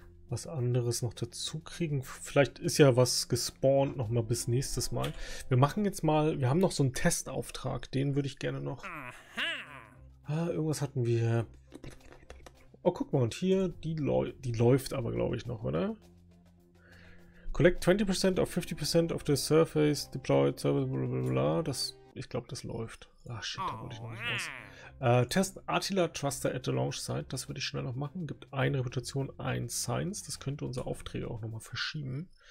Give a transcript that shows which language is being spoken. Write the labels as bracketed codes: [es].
[de] Was anderes noch dazu kriegen. Vielleicht ist ja was gespawnt noch mal bis nächstes Mal. Wir machen jetzt mal, wir haben noch so einen Testauftrag, den würde ich gerne noch. Ah, irgendwas hatten wir. Oh, guck mal, und hier, die läuft aber, glaube ich, noch, oder? [en] Collect 20% of 50% of the surface deployed service, bla bla bla. [de] Das, ich glaube, das läuft. Ah, shit, da wollte ich noch nicht raus. [en] Test Attila Thruster at the Launch Site. [de] Das würde ich schnell noch machen. Gibt eine Reputation, ein Science. Das könnte unsere Aufträge auch nochmal verschieben.